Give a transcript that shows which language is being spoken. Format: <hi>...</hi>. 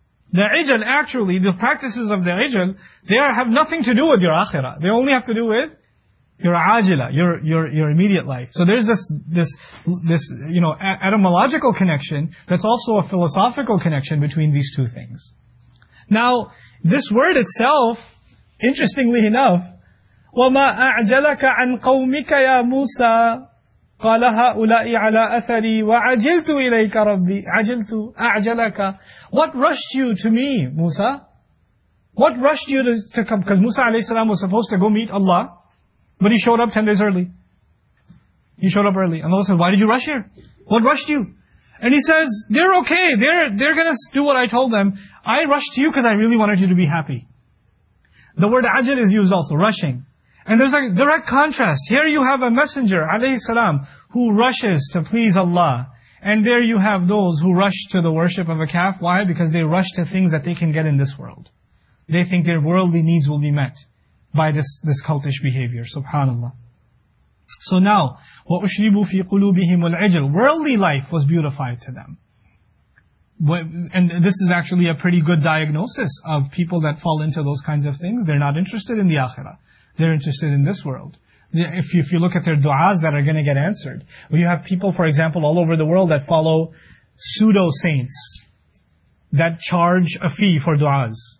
<en>The ijal, actually, the practices of the ijal, they have nothing to do with your akhirah. They only have to do with your ajila, your immediate life. So there's this you know, etymological connection that's also a philosophical connection between these two things. Now, this word itself, interestingly enough,</en> <ar>وَمَا أَعْجَلَكَ عَنْ قَوْمِكَ يَا مُوسَىٰ قَالَ هَؤُلَاءِ عَلَىٰ أَثَرِي وَعَجِلْتُ إِلَيْكَ رَبِّي عَجِلْتُ أَعْجَلَكَ.</ar> <en>What rushed you to me, Musa? What rushed you to come? Because Musa alayhi salam was supposed to go meet Allah, but he showed up 10 days early. He showed up early. And Allah said, why did you rush here? What rushed you? And he says, they're okay. They're going to do what I told them. I rushed to you because I really wanted you to be happy. The word ajil is used also, rushing. And there's a direct contrast. Here you have a messenger, alayhi salam, who rushes to please Allah. And there you have those who rush to the worship of a calf. Why? Because they rush to things that they can get in this world. They think their worldly needs will be met by this cultish behavior. Subhanallah. So now,</en> <ar>وَأُشْرِبُوا فِي قُلُوبِهِمُ الْعِجْلِ.</ar> <en>Worldly life was beautified to them. And this is actually a pretty good diagnosis of people that fall into those kinds of things. They're not interested in the akhirah. They're interested in this world. If you look at their du'as that are going to get answered, we have people, for example, all over the world that follow pseudo-saints that charge a fee for du'as.</en>